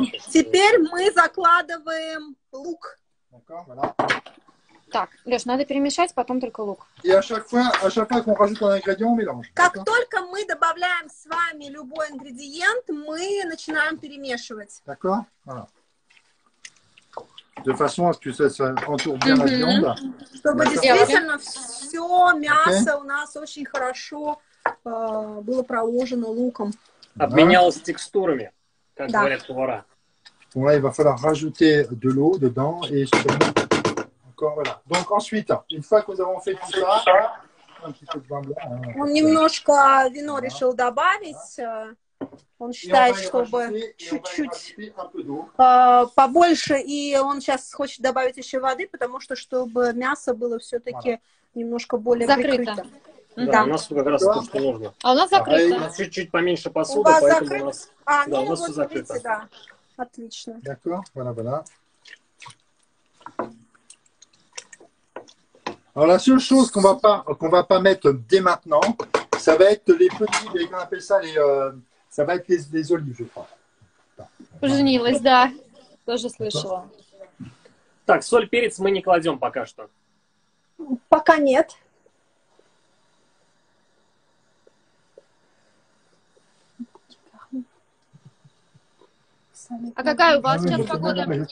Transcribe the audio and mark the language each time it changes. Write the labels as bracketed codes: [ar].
[ru] Теперь мы закладываем лук. Так, Лёш, надо перемешать, потом только лук. Как только мы добавляем с вами любой ингредиент, мы начинаем перемешивать. [fr] De façon à ce que ça entoure bien la viande. [ru] Чтобы действительно все мясо у нас очень хорошо было проложено луком. Обменялось текстурами, как говорят повара. [fr] Ouais, il va falloir rajouter de l'eau dedans et surtout encore voilà. Donc ensuite, une fois que nous avons fait tout ça, un petit peu de vin blanc. [ru] Он немножко вино решил добавить. Он считает, чтобы чуть-чуть побольше, и он сейчас хочет добавить еще воды, потому что, чтобы мясо было все-таки немножко более закрыто. Прикрыто. Да, у нас как раз то, что нужно. А у нас закрыто. А, чуть-чуть поменьше посуды, поэтому закрыто? У нас, да, у нас вот все закрыто. Видите, да. Отлично. [fr] Voilà. Alors la seule chose qu'on va pas mettre dès maintenant, ça va être les petits, les, comment on appelle ça, les... Ça va être les olives, je crois. [ru] Женилась, да. Тоже слышала. Так, соль, перец мы не кладем пока что. Пока нет. А какая у вас сейчас погода?